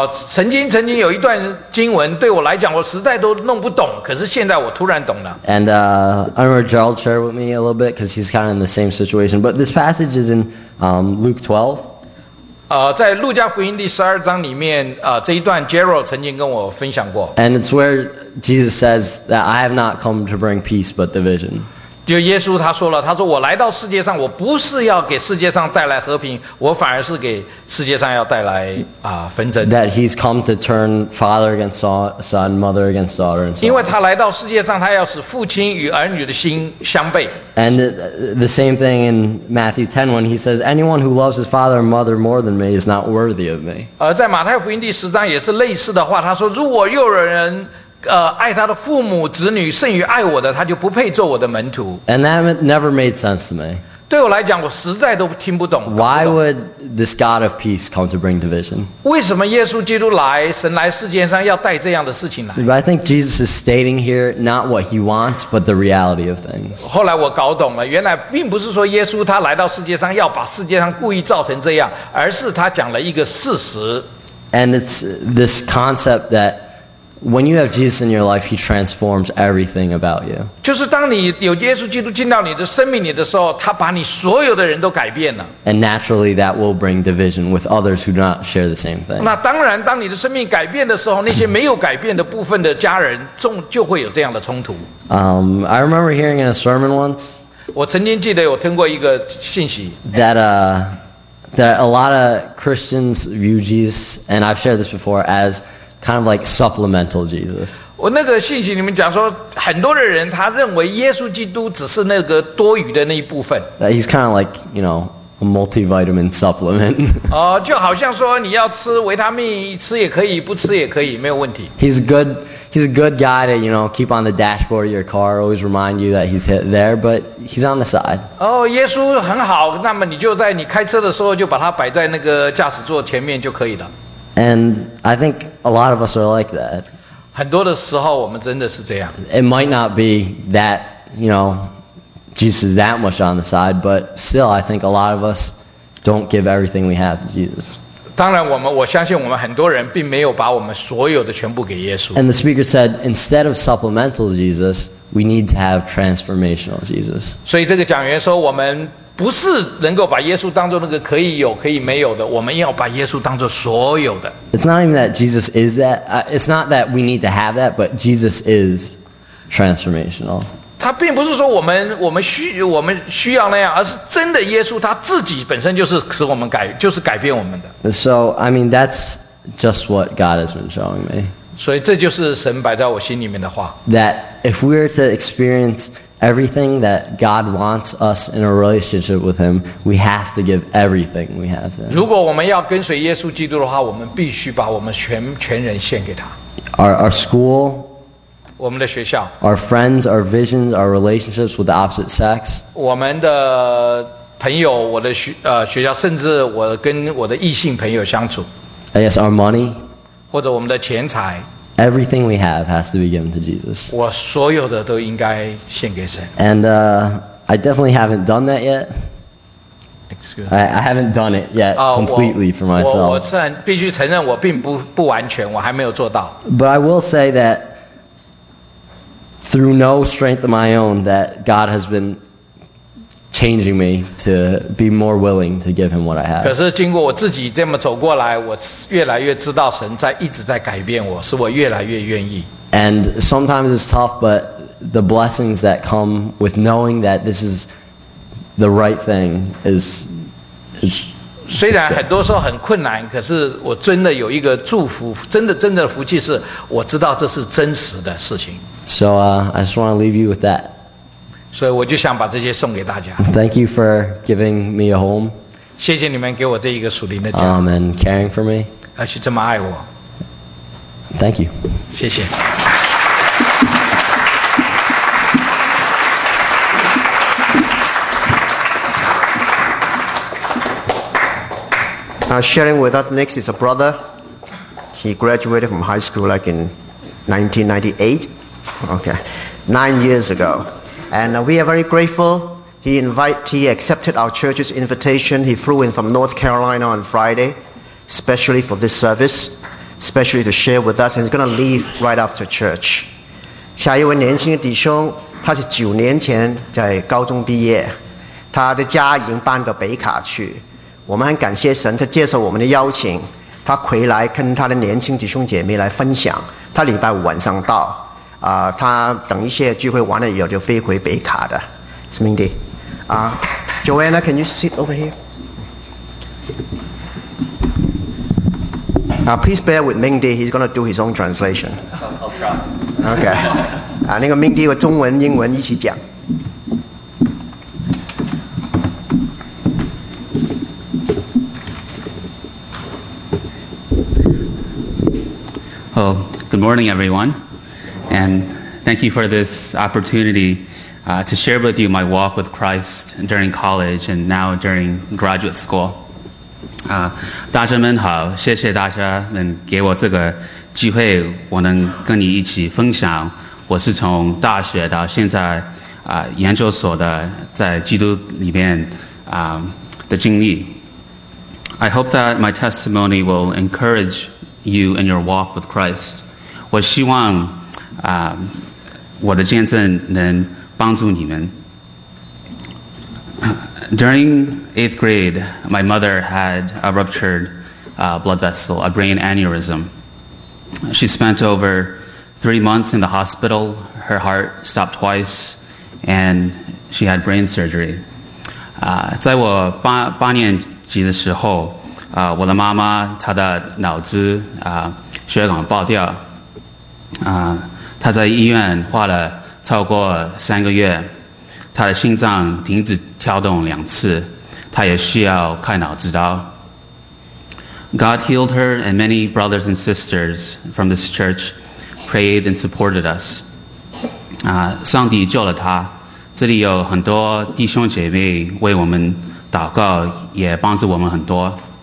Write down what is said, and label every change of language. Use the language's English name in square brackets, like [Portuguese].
[Chinese] 曾经有一段经文对我来讲，我实在都弄不懂，可是现在我突然懂了。 [English] And I remember Gerald shared with me a little bit because he's kind of in the same situation. But this passage is in Luke 12. [Chinese] 在路加福音第十二章里面这一段 Gerald 曾经跟我分享过 [English] And it's where Jesus says that I have not come to bring peace but division [Chinese] 就耶稣他说了他说我来到世界上我不是要给世界上带来和平我反而是给世界上要带来纷争 [English] That he's come to turn father against son, mother against daughter and so on. [Chinese] 因为他来到世界上他要使父亲与儿女的心相悖 [English] And the same thing in Matthew 10 when he says, anyone who loves his father or mother more than me is not worthy of me. [Chinese] 在马太福音第十章也是类似的话他说如果又有人爱他的父母子女甚于爱我的他就不配做我的门徒。 [English] And that never made sense to me. [Chinese] 对我来讲我实在都听不懂。 [English] Why would this God of peace come to bring division? [Chinese] 为什么耶稣基督来神来世界上要带这样的事情来 [English] I think Jesus is stating here not what he wants, but the reality of things. [Chinese] 后来我搞懂了原来并不是说耶稣他来到世界上要把世界上故意造成这样而是他讲了一个事实。 [English] And it's this concept that When you have Jesus in your life, He transforms everything about you. [Chinese] 就是当你有耶稣基督进到你的生命里的时候，他把你所有的人都改变了。 [English] And naturally, that will bring division with others who do not share the same thing. [Chinese] 那当然，当你的生命改变的时候，那些没有改变的部分的家人，就会有这样的冲突。 [English] I remember hearing in a sermon once. [Chinese] 我曾经记得我听过一个信息。 [English] That a lot of Christians view Jesus, and I've shared this before, as kind of like supplemental Jesus. [Chinese] 我那个信息里面讲说，很多的人他认为耶稣基督只是那个多余的那一部分。 [English] That he's kind of like, you know, a multivitamin supplement. [Chinese] 就好像说你要吃维他命，吃也可以，不吃也可以，没有问题。 [English] He's a good guy to, you know, keep on the dashboard of your car, always remind you that he's there, but he's on the side. [Chinese] 耶稣很好，那么你就在你开车的时候就把它摆在那个驾驶座前面就可以了。 [English] And I think a lot of us are like that. [Chinese] 很多的时候我们真的是这样。 [English] It might not be that, you know, Jesus is that much on the side, but still I think a lot of us don't give everything we have to Jesus. [Chinese] 当然我相信我们很多人并没有把我们所有的全部给耶稣。 [English] And the speaker said, instead of supplemental Jesus, we need to have transformational Jesus. [Chinese] 所以这个讲员说我们不是能够把耶稣当作那个可以有可以没有的，我们要把耶稣当作所有的。 [English] It's not even that Jesus is that. It's not that we need to have that, but Jesus is transformational. [Chinese] 他并不是说我们需要那样，而是真的耶稣他自己本身就是使我们改，就是改变我们的。 [English] So I mean that's just what God has been showing me. [Chinese] 所以这就是神摆在我心里面的话。 [English] That if we were to experience. Everything that God wants us in a relationship with Him, we have to give everything we have to Him. [Chinese] 如果我们要跟随耶稣基督的话，我们必须把我们全人献给他。 [English] Our school, [Chinese] 我们的学校 [English] ，our friends, our visions, our relationships with the opposite sex, [Chinese] 我们的朋友，我的学学校，甚至我跟我的异性朋友相处。 [English] Yes, our money. [Chinese] 或者我们的钱财。 [English] Everything we have has to be given to Jesus. [Chinese] 我所有的都应该献给神。 [English] And I definitely haven't done that yet. Excuse me. I haven't done it yet completely for myself. [Chinese] 我虽然必须承认我并不完全，我还没有做到。 [English] But I will say that through no strength of my own, that God has been changing me to be more willing to give him what I have. [Chinese] 可是经过我自己这么走过来，我越来越知道神在一直在改变我，使我越来越愿意。 [English] And sometimes it's tough, but the blessings that come with knowing that this is the right thing is, it's. [Chinese] 虽然很多时候很困难，可是我真的有一个祝福，真的福气是我知道这是真实的事情。 [English] So I just want to leave you with that. [Chinese] 所以我就想把这些送给大家。 [English] Thank you for giving me a home. [Chinese] 谢谢你们给我这一个属灵的家。 [English] And caring for me. [Chinese] 而且这么爱我。 [English] Thank you. [Chinese] 谢谢。 [English] Sharing with us next is a brother. He graduated from high school like in 1998, okay, 9 years ago. And we are very grateful. He accepted our church's invitation. He flew in from North Carolina on Friday, especially for this service, especially to share with us. And he's going to leave right after church. [Chinese] 下一位年轻的弟兄，他是九年前在高中毕业，他的家已经搬到北卡去。我们很感谢神，他接受我们的邀请，他回来跟他的年轻弟兄姐妹来分享。他礼拜五晚上到，他等一些聚会完了以后就飞回北卡的。 [English] Smindy, Joanna, can you sit over here? Now, please bear with Mindy. He's going to do his own translation. Okay. [Chinese] 那个 Mindy 和中文、英文一起讲。 [English] Well, good morning, everyone, and thank you for this opportunity to share with you my walk with Christ during college and now during graduate school. [Chinese] 大家们好，谢谢大家能给我这个机会，我能跟你一起分享。我是从大学到现在研究所的在基督里面的经历。 [English] I hope that my testimony will encourage you in your walk with Christ. [Chinese] 我希望我的见证能帮助你们。 [English] During eighth grade, my mother had a ruptured blood vessel, a brain aneurysm. She spent over 3 months in the hospital. Her heart stopped twice, and she had brain surgery. [Chinese] 在我八年级的时候，我的妈妈她的脑子血管爆掉，她在医院花了超过3个月，她的心脏停止跳动2次，她也需要开脑子刀。 [English] God healed her and many brothers and sisters from this church prayed and supported us. [Chinese] 上帝救了她，这里有很多弟兄姐妹为我们祷告，也帮助我们很多。